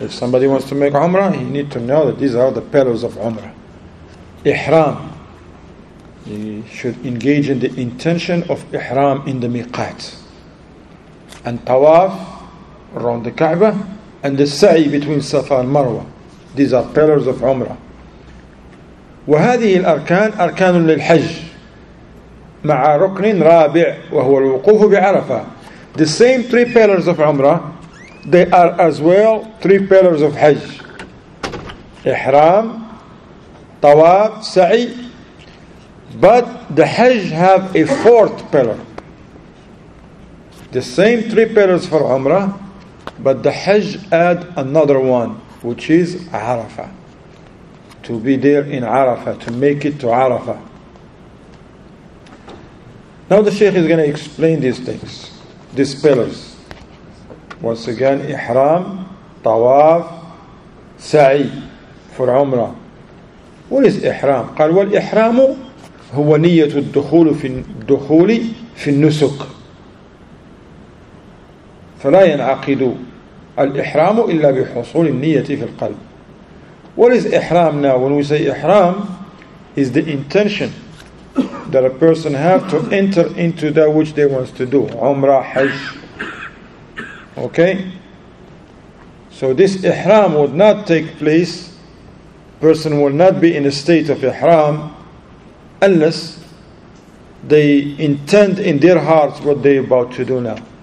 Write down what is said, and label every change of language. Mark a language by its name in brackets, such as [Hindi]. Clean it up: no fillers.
[English] If somebody wants to make Umrah, he needs to know that these are the pillars of Umrah. Ihram. He should engage in the intention of Ihram in the Miqat. And Tawaf around the Kaaba and the Sa'i between Safa and Marwa. These are pillars of Umrah. [Arabic] وهذه الأركان أركان للحج مع ركن رابع وهو الوقوف بعرفة. [English] The same three pillars of Umrah, they are as well three pillars of Hajj. Ihram, Tawaf, Sa'i. But the Hajj have a fourth pillar. The same three pillars for Umrah, but the Hajj add another one, which is Arafah. To be there in Arafah, to make it to Arafah. Now the Shaykh is going to explain these things, these pillars. Once again, Ihram, Tawaf, Sa'i for Umrah. What is Ihram? [Arabic] قال والإحرام هو نية الدخول في النسك فلا ينعقد الإحرام إلا بحصول النية في القلب. [English] What is Ihram now? When we say Ihram, is the intention that a person has to enter into that which they want to do. Umrah, Hajj. Okay, so this ihram would not take place, person will not be in a state of ihram unless they intend in their hearts what they are about to do now.